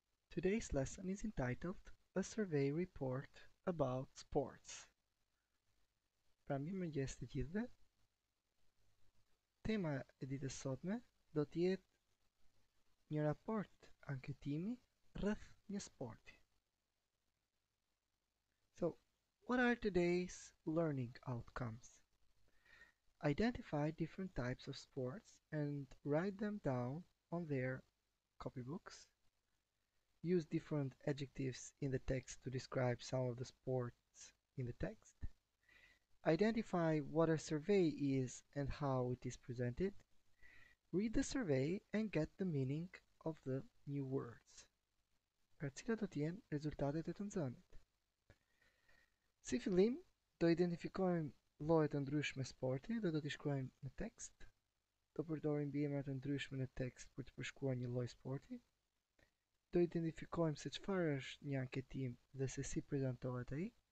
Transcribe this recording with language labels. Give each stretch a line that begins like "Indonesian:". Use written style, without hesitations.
English: Today's lesson is entitled A Survey Report About Sports.
Albanian: Pramë mëngjes të gjithëve. Tema e ditës sotme do të jetë një raport anketimi rreth një sporti.
English: So, what are today's learning outcomes? Identify different types of sports and write them down on their copybooks. Use different adjectives in the text to describe some of the sports in the text. Identify what a survey is and how it is presented. Read the survey and get the meaning of the new words.
Albanian: Për cilat do të jenë rezultatet e të nxënit. Si fillim, do identifikojmë llojet e ndryshme sporti dhe do t'i shkruajmë në tekst. Do përdorim bimër të ndryshme në tekst për të përshkruar një lloj sporti. Do identifikojmë se çfarë është një anketim dhe se si prezantohet ai.